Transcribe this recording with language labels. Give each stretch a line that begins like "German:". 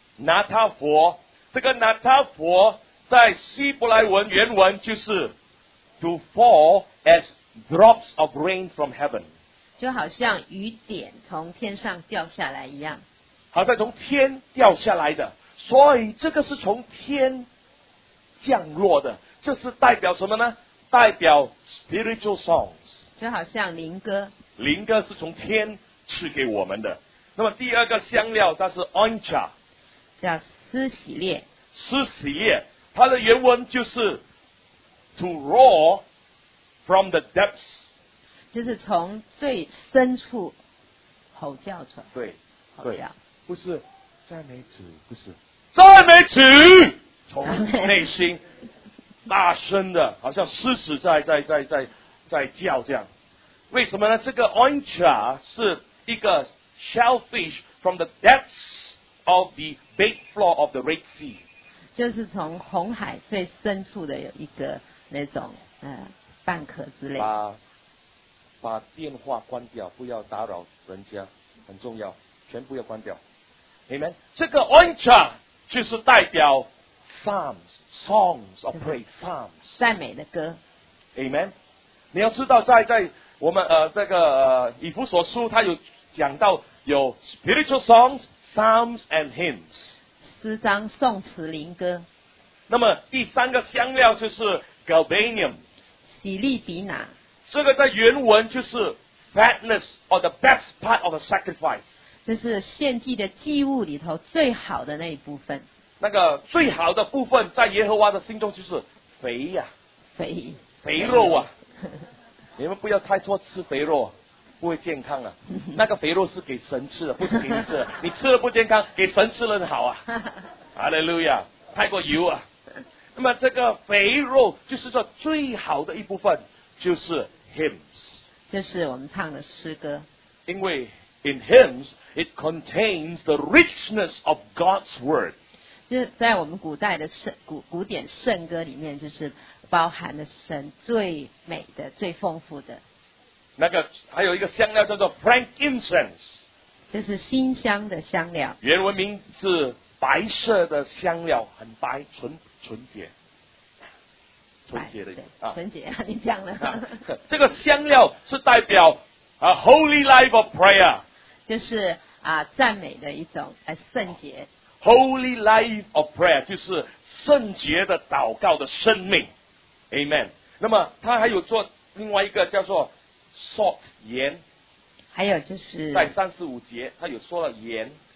Chinese: 拿他佛，这个拿他佛在希伯来文原文就是
English: To fall as drops of rain from heaven，
Chinese: 就好像雨点从天上掉下来一样，好像从天掉下来的。所以这个是从天降落的，这是代表什么呢？代表
English: spiritual songs，
Chinese: 就好像灵歌。灵歌是从天赐给我们的。那么第二个香料，它是 oncha，叫施洗列。施洗列，它的原文就是
English: to roar from the depths，
Chinese: 就是从最深处吼叫出来。对，吼叫，不是赞美主，不是赞美主，从内心。大声的，好像狮子在叫这样。
English: 为什么呢？
Chinese: 这个 oncha 是一个
English: shellfish from the depths of the bed floor of the Red Sea，
Chinese: 就是从红海最深处的有一个那种蚌壳之类。把电话关掉，不要打扰人家，很重要，全部要关掉。Amen。这个 oncha 就是代表 Psalms。
English: Songs of praise, psalms，
Chinese: 赞美的歌。 Amen。你要知道在我们以弗所书，他有讲到有
English: spiritual songs, psalms and hymns，
Chinese: 诗章、颂词、灵歌。那么第三个香料就是 galbanum，洗利比拿。这个在原文就是
English: fatness or the best part of a sacrifice，
Chinese: 就是献祭的祭物里头最好的那一部分。那个最好的部分在耶和华的心中就是肥呀、肥肉啊。你们不要太多吃肥肉，不会健康啊。那个肥肉是给神吃的，不是给你吃的。你吃了不健康，给神吃了好啊。哈利路亚，太过油啊。那么这个肥肉就是说最好的一部分就是 hymns，就是我们唱的诗歌。因为
English: in hymns it contains the richness of God's word，
Chinese: 就是在我们古代的古典圣歌里面，就是包含了神最美的、最丰富的。那个还有一个香料叫做 frankincense，就是馨香的香料。原文名字白色的香料，很白，纯洁，纯洁的啊，纯洁啊，你讲了。这个香料是代表
English: a holy life of prayer，
Chinese: 就是赞美的一种圣洁。
English: Holy life of prayer
Chinese: 就是圣洁的祷告的生命 ，Amen。那么他还有做另外一个叫做 salt 盐，还有就是在35节他有说了盐